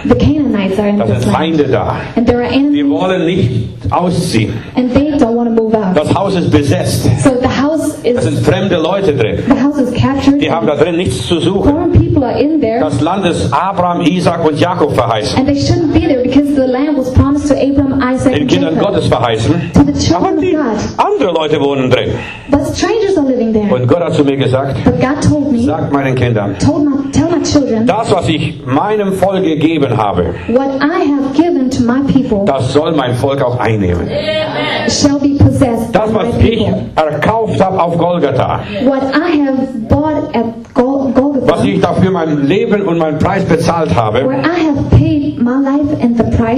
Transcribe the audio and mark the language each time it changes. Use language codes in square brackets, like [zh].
[en] The Canaanites are in [de] das sind Feinde [en] land [de] da. [en] And there are enemies. [de] Die wollen nicht ausziehen. [en] And they don't want to move out. [de] Das Haus ist besetzt. [en] So the house is, [de] da sind fremde Leute drin. [en] The house is captured. [de] Die haben da drin nichts zu suchen. [en] Foreign people are in there. [de] Das Land ist Abraham, Isaac und Jakob verheißen. [en] And they shouldn't be there because the land was promised to Abraham, Isaac and Jacob. [de] Den Kindern Gottes verheißen. [en] To the children [de] aber [en] of God. [de] Andere Leute wohnen drin. [en] But strangers are living there. [de] Und Gott hat zu mir gesagt, [en] but God told me, [de] sag meinen Kindern, [en] tell my children, [de] das was ich meinem Volk gegeben habe, [en] what I have given to my people, [de] das soll mein Volk auch einnehmen. Amen. [en] Shall be possessed. [de] Das was [en] by my [de] ich erkauft habe auf Golgatha. [en] What I have bought at Golgatha. [de] Was ich dafür mein Leben und meinen Preis bezahlt habe. [en] Where I have paid my life and the price.